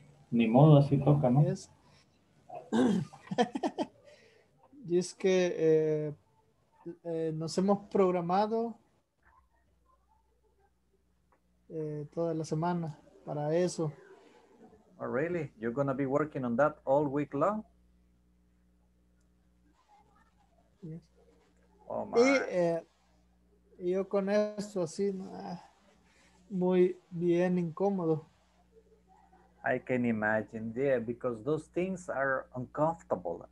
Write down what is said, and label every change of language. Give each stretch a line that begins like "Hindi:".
Spanish: Ni modo, así toca, ¿no?
English: Yes.
Spanish: Y es que nos hemos programado toda la semana para eso.
English: Oh, really? You're going to be working on that all week long? Yes. Oh, my.
Spanish: Y yo con esto así, muy bien incómodo.
English: I can imagine, yeah, because those things are uncomfortable.